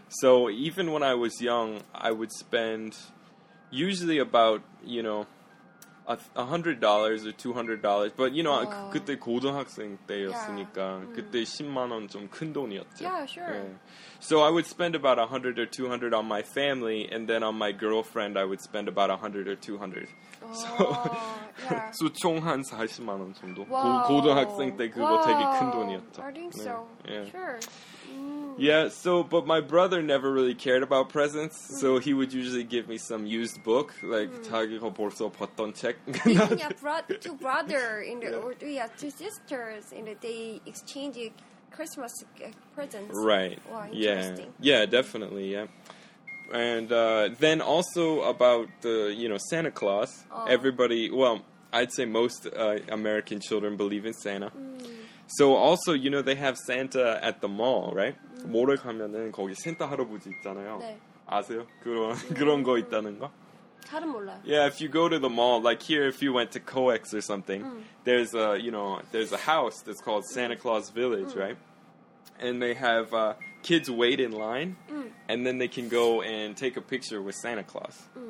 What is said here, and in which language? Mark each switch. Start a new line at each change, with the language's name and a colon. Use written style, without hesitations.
English: So even when I was young, I would spend usually about, you know, $100 or $200, but you know,
Korean: 그때 고등학생 때였으니까 그때 10만 원 좀 큰 돈이었죠.
English: Yeah, sure. Yeah. So I would spend about $100 or $200 on my family, and then on my girlfriend, I would spend about $100 or $200. Oh, so, yeah. So
Korean: 총 한 40만 원 정도. 고등학생 때 그거 되게 큰 돈이었죠.
English: I think so. Yeah. Sure. Mm. Yeah, so, but my brother never really cared about presents, so he would usually give me some used book, like,
Korean: 자기가 벌써 봤던 책.
English: Two sisters, and they exchange Christmas presents. Right. Wow, interesting. Yeah. Yeah, definitely, yeah. And then also about, you know, Santa Claus, everybody, well, I'd say most American children believe in Santa. Mm. So also, you know, they have Santa at the mall, right?
Korean: 모래 가면은 거기 센터 할아버지 있잖아요. 네. 아세요? 그런 거 있다는 거? 잘은 몰라요.
English: Yeah, if you go to the mall, like here, if you went to COEX or something, there's a, you know, there's a house that's called Santa Claus Village, right? And they have kids wait in line, and then they can go and take a picture with Santa Claus.